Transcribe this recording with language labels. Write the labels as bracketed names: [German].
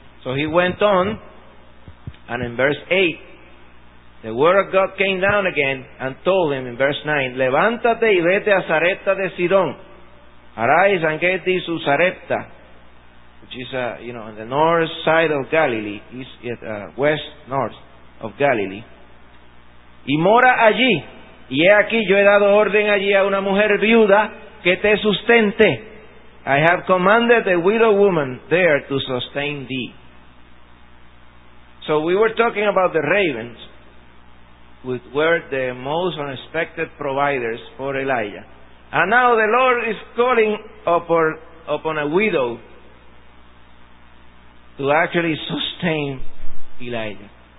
[English] So he went on, and in verse 8, the word of God came down again and told him in verse 9, [Spanish] levántate y vete a Sarepta de Sidón. [English] Arise and get thee to Sarepta, which is, on the north side of Galilee, west north of Galilee. [Spanish] Y mora allí. Y he aquí, yo he dado orden allí a una mujer viuda que te sustente. [English] I have commanded the widow woman there to sustain thee. So we were talking about the ravens, which were the most unexpected providers for Elijah. And now the Lord is calling upon a widow to actually sustain Elijah.